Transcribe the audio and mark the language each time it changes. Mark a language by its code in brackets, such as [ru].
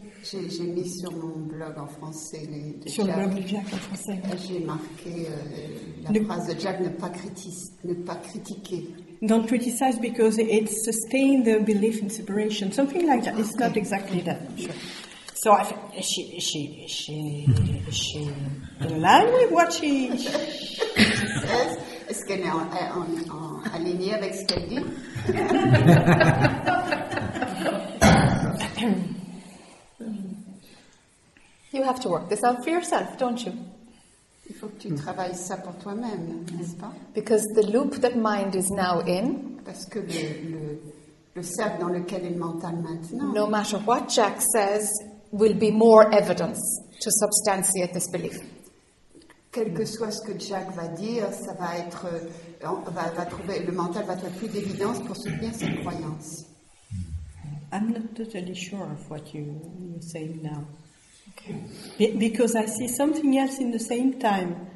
[fr] j'ai mis sur mon blog en français les de sur Jack, le blog de Jack en français. J'ai marqué la phrase de Jack ne pas critiquer. [en] Don't criticize because it sustains the belief in separation. Something like that. It's okay. Not exactly that. I'm sure. So she in line with what she says. Is she aligned with what she says? You have to work this out for yourself, don't you? [fr] Il faut que tu travailles ça pour toi-même, n'est-ce pas? [en] Because the loop that mind is now in. [fr] Parce que le cercle dans lequel est le mental maintenant. [en] No matter what Jack says. Will be more evidence to substantiate this belief. [fr] Quel que soit ce que Jack va dire, ça va être, va trouver, le mental va trouver plus d'évidence pour soutenir cette croyance. [en] I'm not totally sure of what you're saying now. Okay. Because I see something else in the same time.